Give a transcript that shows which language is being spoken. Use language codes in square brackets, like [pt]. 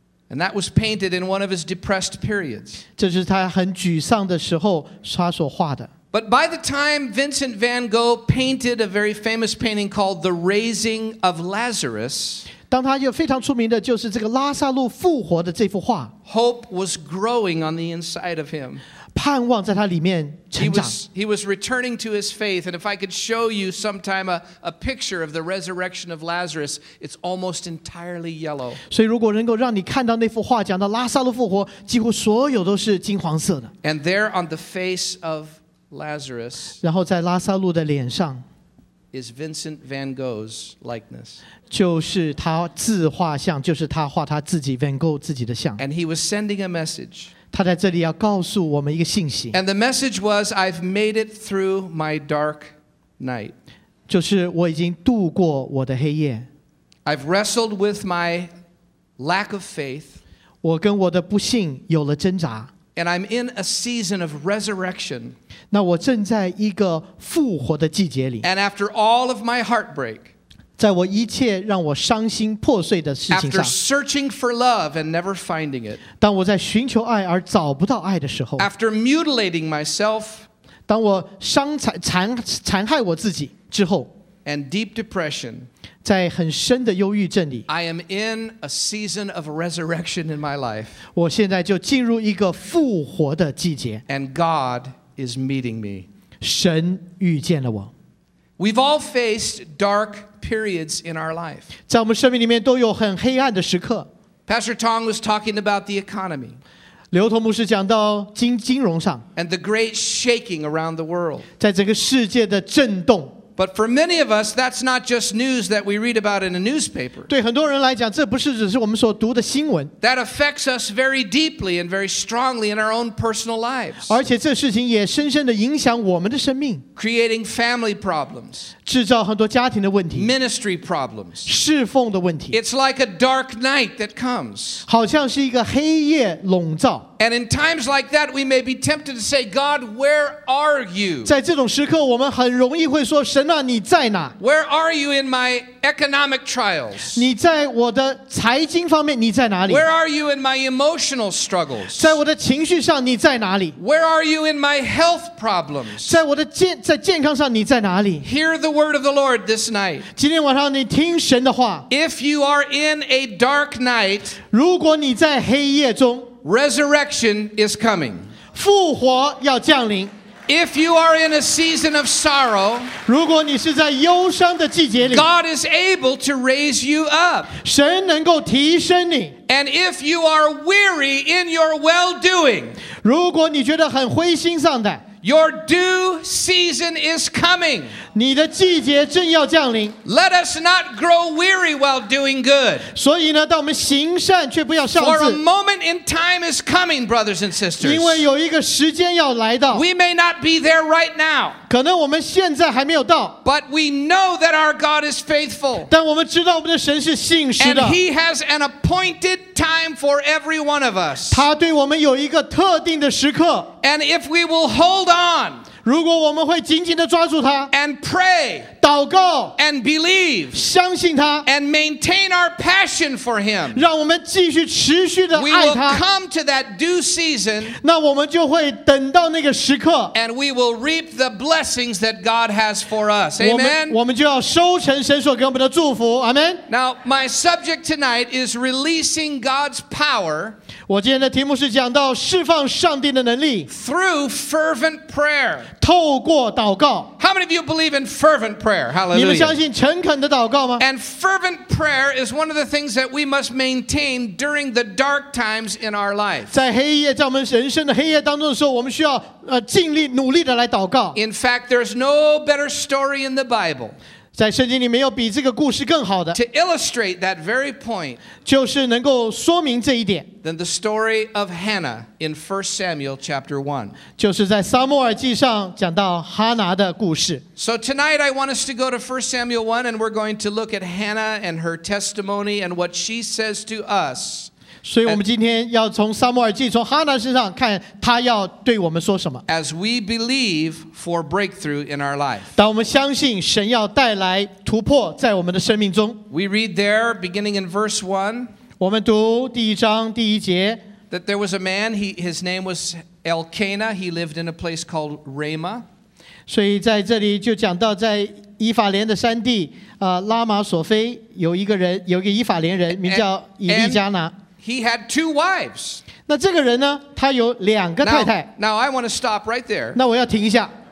[en] And that was painted in one of his depressed periods. [zh] 这是他很沮丧的时候他所画的。 [en] But by the time Vincent Van Gogh painted a very famous painting called The Raising of Lazarus, [zh] 当他有非常出名的就是这个拉撒路复活的这幅画。 [en] Hope was growing on the inside of him. [zh] 盼望在他里面成长。 [en] He was returning to his faith, and if I could show you sometime a picture of the resurrection of Lazarus, it's almost entirely yellow. [zh] 所以如果能够让你看到那幅画讲到拉撒路复活，几乎所有都是金黄色的。 [en] And there on the face of Lazarus, [zh] 然后在拉撒路的脸上 [en] is Vincent Van Gogh's likeness. [zh] 就是他自画像，就是他画他自己 Van Gogh 自己的像。 [en] And he was sending a message. [zh] 他在这里要告诉我们一个信息。 [en] And the message was, I've made it through my dark night. [zh] 就是我已经度过我的黑夜。 [en] I've wrestled with my lack of faith. [zh] 我跟我的不信有了挣扎。 [en] And I'm in a season of resurrection. [zh] 那我正在一个复活的季节里。 [en] And after all of my heartbreak, [zh] 在我一切让我伤心破碎的事情上。 [en] After searching for love and never finding it, [zh] 当我在寻求爱而找不到爱的时候。 [en] After mutilating myself, [zh] 当我伤残残残害我自己之后 [en] ，and deep depression， [zh] 在很深的忧郁症里 [en] ，I am in a season of resurrection in my life。 [zh] 我现在就进入一个复活的季节 [en] ，and God is meeting me。 [zh] 神遇见了我。 [en] We've all faced dark periods in our life。 [zh] 在我们生命里面都有很黑暗的时刻。 [en] Pastor Tong was talking about the economy. [zh] 刘同牧师讲到金融上 [en] and the great shaking around the world. [zh] 在整个世界的震动 [en] But for many of us, that's not just news that we read about in a newspaper. [zh] 对很多人来讲，这不是只是我们所读的新闻 [en] That affects us very deeply and very strongly in our own personal lives. [zh] 而且这事情也深深地影响我们的生命 [en] Creating family problems. [zh] 制造很多家庭的问题 [en] Ministry problems. [zh] 侍奉的问题 [en] It's like a dark night that comes. [zh] 好像是一个黑夜笼罩 [en] And in times like that, we may be tempted to say, God, where are you? [zh] 在这种时刻，我们很容易会说，神啊，你在哪？ [en] Where are you in my economic trials? [zh] 你在我的财经方面，你在哪里？ [en] Where are you in my emotional struggles? [zh] 在我的情绪上，你在哪里？ [en] Where are you in my health problems? [zh] 在我的健在健康上，你在哪里？ [en] Hear the word of the Lord this night. [zh] 今天晚上你听神的话。 [en] If you are in a dark night, [zh] 如果你在黑夜中。 [en] Resurrection is coming. [zh] 复活要降临。 [en] If you are in a season of sorrow, [zh] 如果你是在忧伤的季节里 [en] God is able to raise you up. [zh] 神能够提升你。 [en] And if you are weary in your well-doing, [zh] 如果你觉得很灰心丧胆 [en] your due season is coming. [zh] 你的季节正要降临。 [en] Let us not grow weary while doing good. [zh] 所以呢，当我们行善却不要丧志。 [en] For a moment in time is coming, brothers and sisters. [zh] 因为有一个时间要来到。 [en] We may not be there right now. [zh] 可能我们现在还没有到。 [en] But we know that our God is faithful. [zh] 但我们知道我们的神是信实的。 [en] And He has an appointed time for every one of us. [zh] 他对我们有一个特定的时刻。 [en] And if we will hold on. [zh] 如果我们会紧紧地抓住他 [en] and pray, [zh] 祷告 [en] and believe, [zh] 相信他 [en] and maintain our passion for him, [zh] 让我们继续持续地爱他 [en] we will come to that due season, [zh] 那我们就会等到那个时刻 [en] and we will reap the blessings that God has for us, amen? [zh] 我们就要收成神所给我们的祝福 amen? [en] Now, my subject tonight is releasing God's power, [zh] 我今天的题目是讲到释放上帝的能力 [en] through fervent prayer, [zh] 透过祷告 [en] How many of you believe in fervent prayer? Hallelujah. [zh] 你们相信诚恳的祷告吗 [en] And fervent prayer is one of the things that we must maintain during the dark times in our life. [zh] 在黑夜，在我们人生的黑夜当中的时候，我们需要尽力努力的来祷告。 [en] In fact, there's no better story in the Bible. [zh] 在圣经里没有比这个故事更好的。 [en] To illustrate that very point, [zh] 就是能够说明这一点。 [en] Than the story of Hannah in 1 Samuel chapter 1. [zh] 就是在撒母耳记上讲到哈拿的故事。 [en] So tonight I want us to go to 1 Samuel 1 and we're going to look at Hannah and her testimony and what she says to us. [zh] 所以我们今天要从撒母耳记从哈拿身上看她要对我们说什么。 [en] As we believe for breakthrough in our life. [zh] 当我们相信神要带来突破在我们的生命中。 [en] We read there beginning in verse 1. [zh] 我们读第一章第一节 [en] That there was a man, his name was Elkanah, he lived in a place called Ramah. [zh] 所以在这里就讲到在以法莲的山地拉马索非有一个人有一个以法莲人名叫以利加拿 [en] He had two wives. [zh] 那这个人呢他有两个太太 [en] Now I want to stop right there. [zh] 那我要停一下。